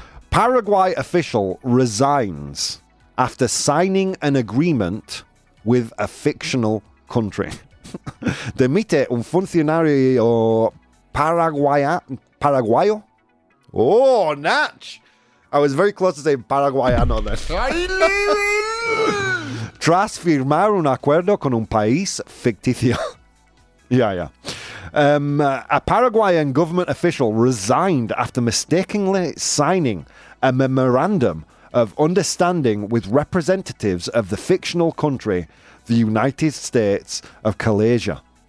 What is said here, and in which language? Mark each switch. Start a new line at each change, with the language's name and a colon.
English: Paraguay official resigns after signing an agreement with a fictional country.
Spanish: Demite un funcionario paraguayo.
English: Oh, Natch! I was very close to saying paraguayano then.
Spanish: Tras firmar un acuerdo con un país ficticio.
English: Yeah. A Paraguayan government official resigned after mistakenly signing a memorandum of understanding with representatives of the fictional country, the United States of Calasia.